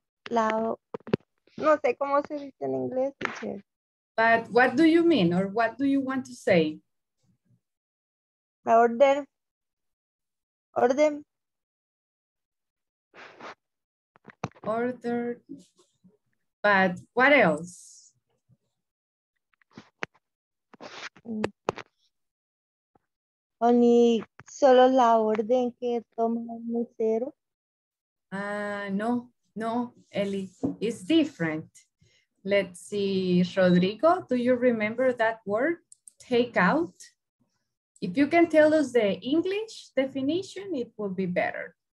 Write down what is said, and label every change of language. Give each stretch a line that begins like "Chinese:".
Spanish: No sé cómo se dice en inglés, teacher.
English: But what do you mean or what do you want to say?
Spanish: La orden. Orden.
English: Order. But what else?
Spanish: Only solo la orden que toma el mesero.
English: No. No, Eli, it's different. Let's see, Rodrigo, do you remember that word, take out? If you can tell us the English definition, it will be better.